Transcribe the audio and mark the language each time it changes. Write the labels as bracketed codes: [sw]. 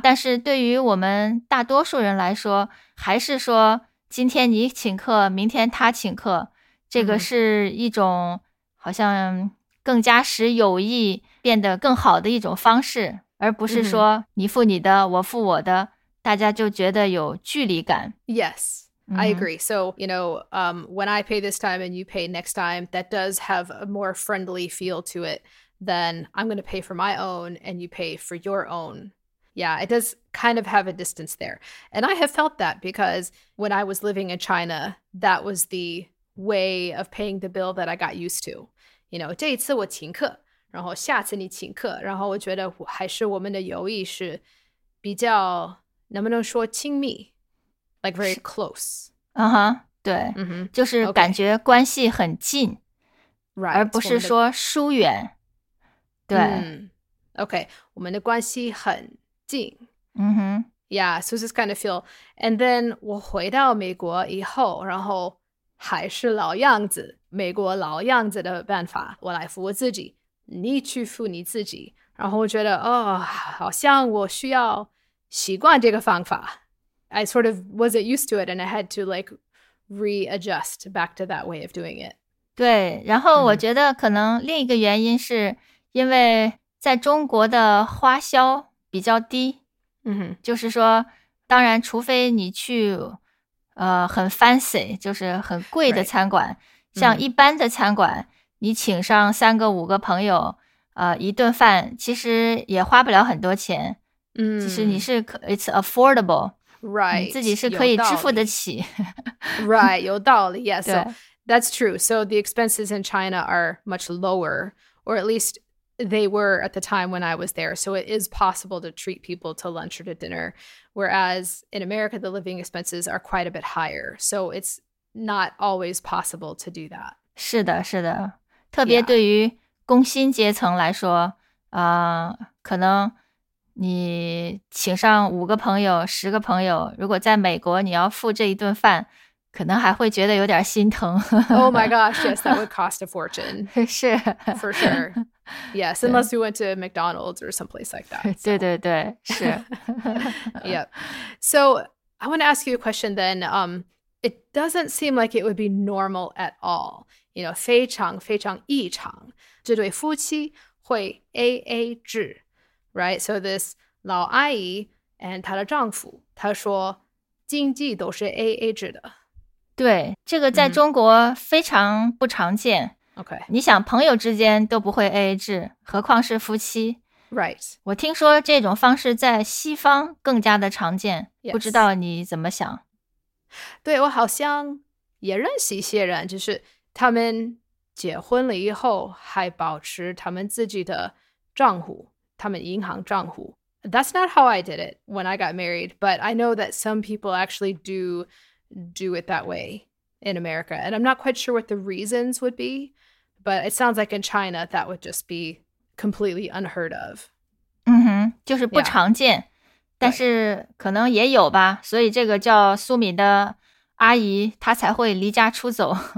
[zh] 但是对于我们大多数人来说，还是说今天你请客，明天他请客，这个是一种好像更加使友谊变得更好的一种方式，而不是说你付你的，我付我的，大家就觉得有距离感。 [en] Yes, I agree. So, you know, when I pay this time and you pay next time, that does have a more friendly feel to it. Then I'm going to pay for my own and you pay for your own. Yeah, it does kind of have a distance there. And I have felt that because when I was living in China, that was the way of paying the bill that I got used to. You know, [zh] 这一次我请客，然后下次你请客，然后我觉得还是我们的友谊是比较，能不能说亲密？ [en] Like very close. [zh] 对，就是感觉关系很近，而不是说疏远。对 [en] OK, [zh] 我们的关系很近。 [en] Yeah, so this kind of feel. And then [zh] 我回到美国以后，然后还是老样子，美国老样子的办法，我来付我自己，你去付你自己。然后我觉得，哦，好像我需要习惯这个方法。 [en] I sort of wasn't used to it and I had to like readjust back to that way of doing it. [zh] 对，然后我觉得可能另一个原因是因为在中国的花销比较低，就是说，当然，除非你去，很 fancy, 就是很贵的餐馆， right. 像一般的餐馆，你请上三个五个朋友，一顿饭其实也花不了很多钱，其实你是 [en] it's affordable, right, [zh] 你自己是可以支付得起， [en] right, [zh] 有道理， [en] yes, so that's true. So the expenses in China are much lower, or at least. They were at the time when I was there. So it is possible to treat people to lunch or to dinner. Whereas in America, the living expenses are quite a bit higher. So it's not always possible to do that. [zh] 是的，是的。特别对于工薪阶层来说，可能你请上五个朋友，十个朋友，如果在美国你要付这一顿饭，可能还会觉得有点心疼。 [en] Oh my gosh, yes, that would cost a fortune. [zh] 是。 [en] For sure. Yes, unless we went to McDonald's or someplace like that. [zh] 对对对,是。 [en] Yep. So I want to ask you a question then. It doesn't seem like it would be normal at all. You know, [zh] 非常非常异常。这对夫妻会 AA 制。Right? [en] So this [zh] 老阿姨 [en] and [zh] 她的丈夫,她说经济都是 AA 制的。对，这个在中国非常不常见。 [en] OK. [zh] 你想朋友之间都不会 AA 制，何况是夫妻。 [en] Right. [zh] 我听说这种方式在西方更加的常见。 [en] Yes. [zh] 不知道你怎么想。对，我好像也认识一些人，就是他们结婚了以后还保持他们自己的账户，他们银行账户。 [en] That's not how I did it when I got married, but I know that some people actually do it that way in America. And I'm not quite sure what the reasons would be, but it sounds like in China, that would just be completely unheard of. [zh] 嗯哼，就是不常见，但是可能也有吧，所以这个叫苏敏的阿姨，她才会离家出走。